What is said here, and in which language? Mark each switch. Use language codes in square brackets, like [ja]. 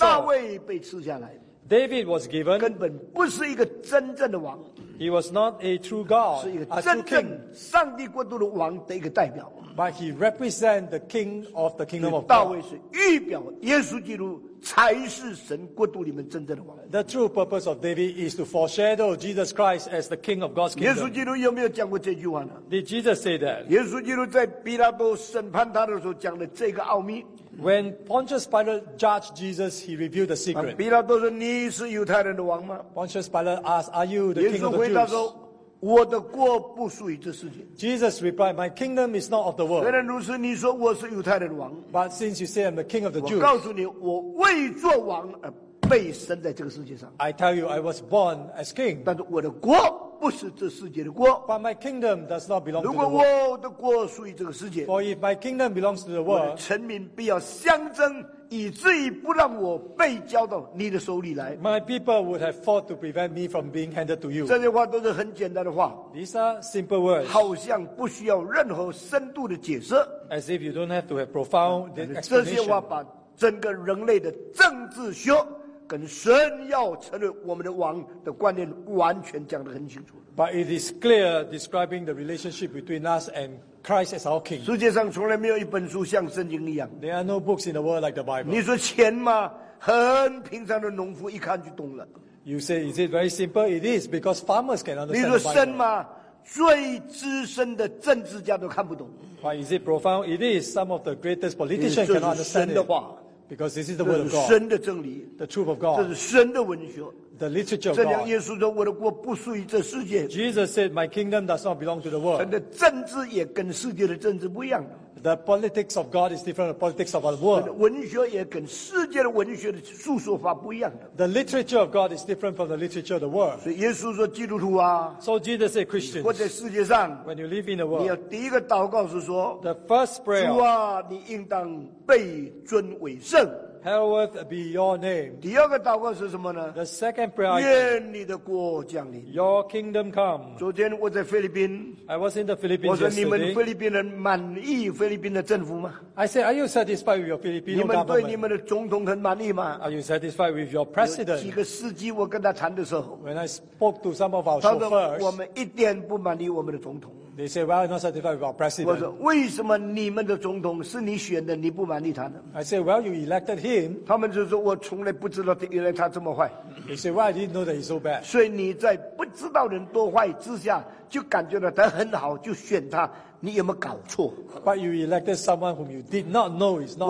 [zh] 大卫被赐下来， [en] David was given, [zh] 根本不是一个真正的王， [en] He was not a true God, [zh] 是一个真正上帝国度的王的一个代表。 [en] But he represents the king of the kingdom of God. [zh] 大卫是预表耶稣基督才是神国度里面真正的王。 [en] The true purpose of David is to foreshadow Jesus Christ as the king of God's kingdom. [zh] 耶稣基督有没有讲过这句话呢？ [en] Did Jesus say that? [zh] 耶稣基督在比拉多审判他的时候讲的这个奥秘。 [en] When Pontius Pilate judged Jesus, he revealed the secret. [zh] 比拉多说你是犹太人的王吗？ [en] Pontius Pilate asked, are you the king of the Jews? [zh] 我的国不属于这世界。 [en] Jesus replied, "My kingdom is not of the world." [zh] 虽然如此，你说我是犹太人王。 [en] But since you say I'm the king of the Jews, [zh] 我告诉你，我为做王而被生在这个世界上。 [en] I tell you, I was born as king. [zh] 但是我的国不是这世界的国。 [en] But my kingdom does not belong to the world. [zh] 如果我的国属于这个世界， [en] For if my kingdom belongs to the world, [zh] 我的臣民必要相争，以至于不让我被交到你的手里来。 [en] My people would have fought to prevent me from being handed to you. [zh] 这些话都是很简单的话。 [en] These are simple words. [zh] 好像不需要任何深度的解释。 [en] As if you don't have to have profound explanation. [zh] 这些话把整个人类的政治学跟神要成为我们的王的观念完全讲得很清楚。 [en] But it is clear describing the relationship between us and Christ as our king. [zh] 世界上从来没有一本书像圣经一样。 [en] There are no books in the world like the Bible. [zh] 你说钱吗？很平常的农夫一看就懂了。 [en] You say, is it very simple? It is, because farmers can understand the Bible. [zh] 你说深吗？最资深的政治家都看不懂。 [en] But is it profound? It is. Some of the greatest politicians cannot understand it. Because this is the word of God. [zh] 神的真理， [en] the truth of God. [zh] 这是神的文学， [en] the literature of God. [zh] 这样耶稣说我的国不属于这世界。 [en] Jesus said, my kingdom does not belong to the world. [zh] 神的政治也跟世界的政治不一样。 [en] The politics of God is different from the politics of our world. [zh] 文学也跟世界的文学的诉说法不一样。 [en] The literature of God is different from the literature of the world. [zh] 所以耶稣说基督徒啊, [en] so Jesus said, Christians, [zh] 你活在世界上, [en] when you live in the world, [zh] 你要第一个祷告是说, [en] the first prayer, [zh] 主啊, 你应当被尊为圣。 [en] Hallowed be your name. [zh] 第二个祷告是什么呢? [en] The second prayer. [zh] 愿你的国降临。 [en] Your kingdom come. [zh] 昨天我在菲律宾, [en] I was in the Philippines [zh] 我说, [en] yesterday. [zh] 你们菲律宾人满意菲律宾的政府吗? [en] I said, are you satisfied with your Filipino government? [zh] 你们对你们的总统很满意吗? [en] Are you satisfied with your president? [zh] 有几个司机我跟他谈的时候, [en] when I spoke to some of our chauffeurs, [zh] 他说我们一点不满意我们的总统。 [en] They say, well, I'm not satisfied with our president. [zh] 我说, 为什么你们的总统是你选的, 你不满意他呢? [en] I say, well, you elected him. [zh] 他们就说, 我从来不知道原来他这么坏。 [en] They say, well, I didn't know that he's so bad. [zh] 所以你在不知道人多坏之下, 就感觉到他很好, 就选他, 你有没有搞错? [en] But you elected someone whom you did not know is not